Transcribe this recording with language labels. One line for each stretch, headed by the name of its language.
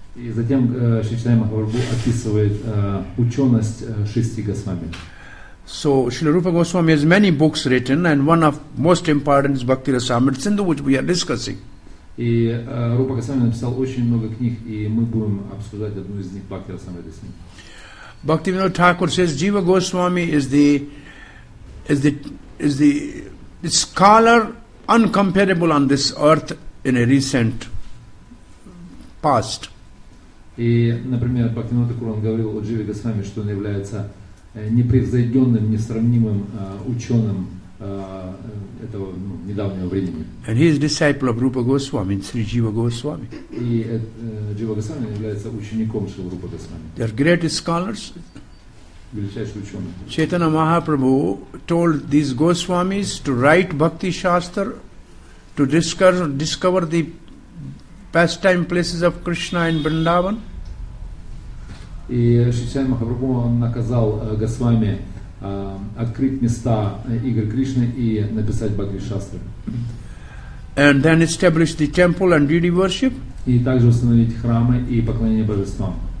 Russian: И затем Шри Чайтанья Махапрабху описывает ученость шести Госвами.
English: So Srila Rupa Goswami has many books written, and one of most important is Bhakti Rasamrita Sindhu, which we are discussing.
Russian: И Рупа Госвами написал очень много книг, и мы будем обсуждать одну из них, Бхакти Расамрита Синдху.
English: Bhaktivinoda Thakur says Jiva Goswami is the scholar uncomparable on this earth in a recent past.
Russian: И, например, Bhaktivinoda Thakur говорил о Дживе Госвами, что он является непревзойденным, несравнимым ученым этого недавнего времени.
English: And he is disciple of Rupa Goswami, Sri Jiva Goswami.
Russian: И Джива Госвами является учеником Шрилы Рупа Госвами.
English: They are greatest scholars.
Russian: Величайшие ученые.
English: Chaitanya Mahaprabhu told these Goswamis to write Bhakti Shastra, to discover the pastime places of Krishna in Vrindavan.
Russian: И Шри Чайтанья Махапрабху наказал Госвами открыть места игр Кришны и написать Бхакти Шастры.
English: And then establish the temple and deity worship.
Russian: И также установить храмы и поклонение божествам.